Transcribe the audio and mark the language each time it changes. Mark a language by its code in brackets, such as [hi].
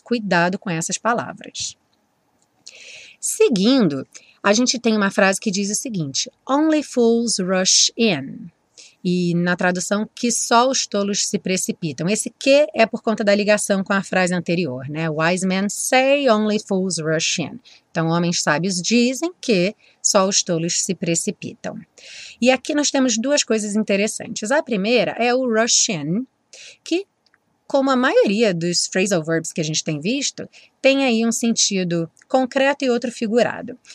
[pt] Cuidado com essas palavras. Seguindo, a gente tem uma frase que diz o seguinte: [en] only fools rush in. [pt] E na tradução, que só os tolos se precipitam. Esse que é por conta da ligação com a frase anterior, né? [en] Wise men say only fools rush in. [pt] Então, homens sábios dizem que só os tolos se precipitam. E aqui nós temos duas coisas interessantes. A primeira é o rush in, que, como a maioria dos phrasal verbs que a gente tem visto, tem aí um sentido concreto e outro figurado.